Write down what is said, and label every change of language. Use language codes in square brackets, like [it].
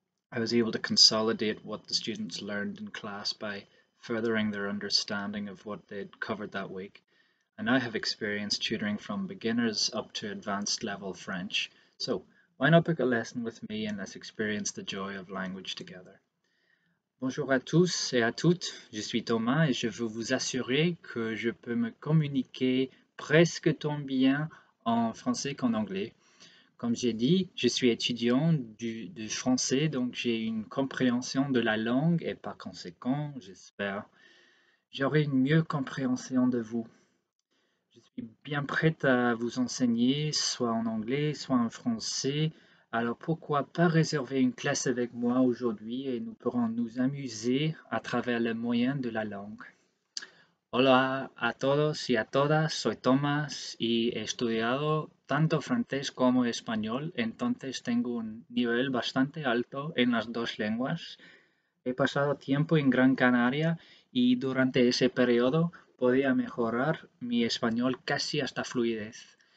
[en] I was able to consolidate what the students learned in class by furthering their understanding of what they'd covered that week. And I have experience tutoring from beginners up to advanced level French. So why not book a lesson with me and let's experience the joy of language together? [fr] Bonjour à tous et à toutes. Je suis Thomas et je veux vous assurer que je peux me communiquer presque tant bien en français qu'en anglais. Comme j'ai dit, je suis étudiant du français, donc j'ai une compréhension de la langue et par conséquent, j'espère, j'aurai une mieux compréhension de vous. Je suis bien prête à vous enseigner, soit en anglais, soit en français. Alors pourquoi pas réserver une classe avec moi aujourd'hui et nous pourrons nous amuser à travers les moyens de la langue. [es] Hola a todos y a todas, soy Tomás y he estudiado tanto francés como español, entonces tengo un nivel bastante alto en las dos lenguas. He pasado tiempo en Gran Canaria y durante ese periodo podía mejorar mi español casi hasta fluidez.